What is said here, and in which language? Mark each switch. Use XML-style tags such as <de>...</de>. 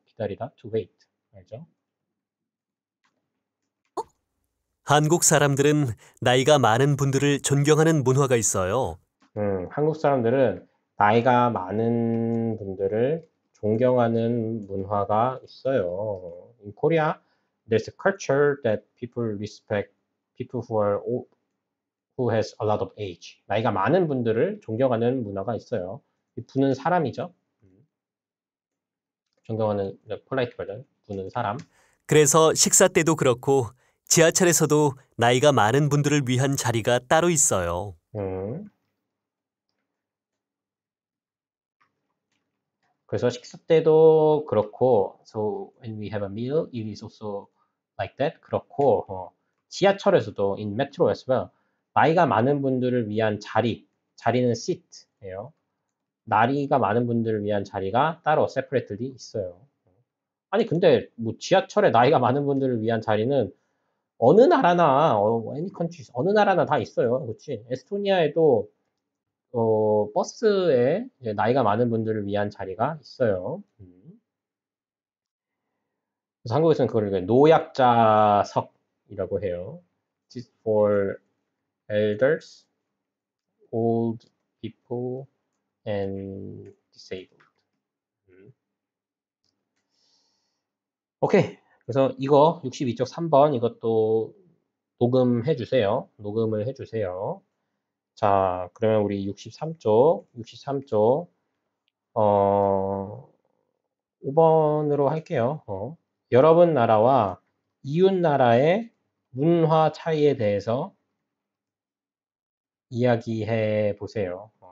<ko>기다리다</ko> <en>to wait</en> <ko>알죠? 한국 사람들은 나이가 많은 분들을 존경하는 문화가 있어요. 한국 사람들은 나이가 많은 분들을 존경하는 문화가 있어요.</ko> <en>In Korea, there's a culture that people respect people who are old, who has a lot of age.</en> <ko>나이가 많은 분들을 존경하는 문화가 있어요. 부는 사람이죠. 존경하는 polite version, 부는 사람. 그래서 식사 때도 그렇고 지하철에서도 나이가 많은 분들을 위한 자리가 따로 있어요. 그래서 식사 때도 그렇고,</ko> <en>so when we have a meal, it is also like that.</en> <ko>그렇고, 지하철에서도,</ko> <en>in metro as well,</en> <ko>나이가 많은 분들을 위한 자리, 자리는 seat예요. 나이가 많은 분들을 위한 자리가 따로 separately 있어요. 아니, 근데 뭐 지하철에 나이가 많은 분들을 위한 자리는 어느 나라나,</ko> <en>any countries,</en> <ko>어느 나라나 다 있어요. 그렇지? 에스토니아에도 버스에 나이가 많은 분들을 위한 자리가 있어요. 그래서 한국에서는 그걸 노약자석이라고 해요.</ko> <en>It's for elders, old people, and disabled.</en> <ko>오케이. 그래서 이거 62쪽 3번 이것도 녹음해 주세요. 녹음을 해 주세요. 자, 그러면 우리 63쪽, 5번으로 할게요. 여러분 나라와 이웃 나라의 문화 차이에 대해서 이야기해 보세요.</ko>